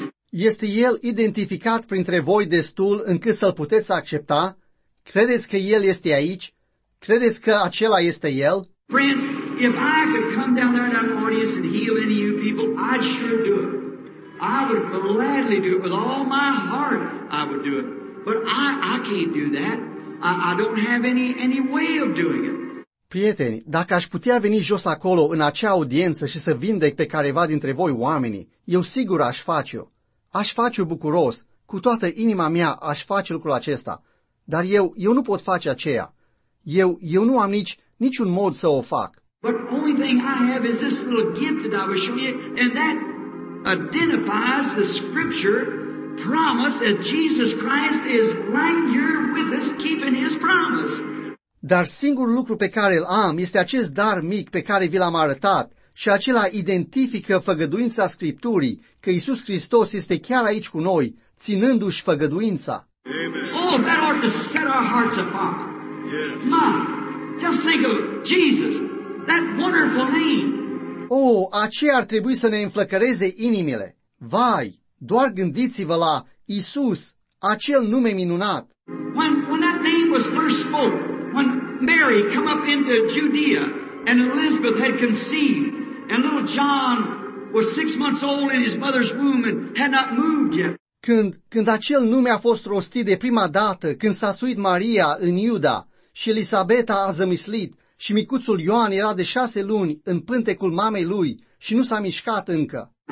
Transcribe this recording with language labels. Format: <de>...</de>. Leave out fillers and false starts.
<ro>Este El identificat printre voi destul încât să-L puteți accepta? Credeți că El este aici? Credeți că acela este El?</ro> <en>Friends, if I could come down there in that audience and heal any of you people, I'd sure do it. I would gladly do it with all my heart. I would do it. But I can't do that. I don't have any way of doing it.</en> <ro>Prieteni, dacă aș putea veni jos acolo în acea audiență și să vindec pe careva dintre voi oamenii, eu sigur aș face-o. Aș face-o bucuros, cu toată inima mea aș face lucrul acesta. Dar eu nu pot face aceea. Eu nu am niciun mod să o fac.</ro> <en>But the only thing I have is this little gift that I was showing you, and that identifies the scripture promise that Jesus Christ is right here with us, keeping his promise.</en> <ro>Dar singurul lucru pe care îl am este acest dar mic pe care vi l-am arătat și acela identifică făgăduința Scripturii că Iisus Hristos este chiar aici cu noi, ținându-și făgăduința.</ro> <en>Oh, that ought to set our hearts upon. Yes. My, just think of Jesus, that wonderful name.</en> <ro>Oh, aceea ar trebui să ne înflăcăreze inimile. Vai, doar gândiți-vă la Iisus, acel nume minunat.</ro> <en>When that name was first spoken, when Mary came up into Judea and Elizabeth had conceived and little John was 6 months old in his mother's womb and had not moved yet.</en> <ro>Când acel nume a fost rostit de prima dată, când s-a suit Maria în Iuda și Elisabeta a zămislit și micuțul Ioan era de 6 luni în pântecul mamei lui și nu s-a mișcat încă.</ro>